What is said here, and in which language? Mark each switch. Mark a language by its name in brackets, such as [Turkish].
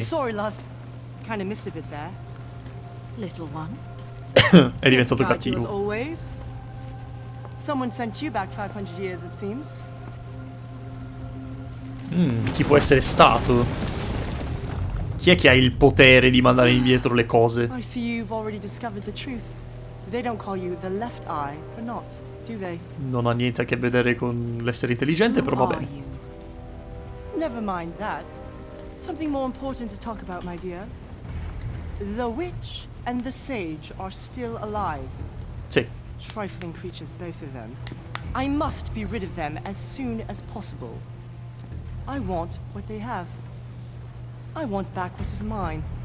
[English] Sorry, love. Kind of miss a bit there. Little one. [Italian] È diventato cattivo. [English] Someone sent you back 500 years, it seems. [Italian] Chi può essere stato? Chi è che ha il potere di mandare indietro le cose? [English] I see you've already discovered the truth. They don't call you the left eye for not, do they? [Italian] Non ha niente a che vedere con l'essere intelligente, però va bene. [English] Never mind that. Something more important to talk about, my dear. The witch and the sage are still alive. [Italian] Sì. [English] trifling creatures, both of them. I must be rid of them as soon as possible. I want what they have. I want back what is mine.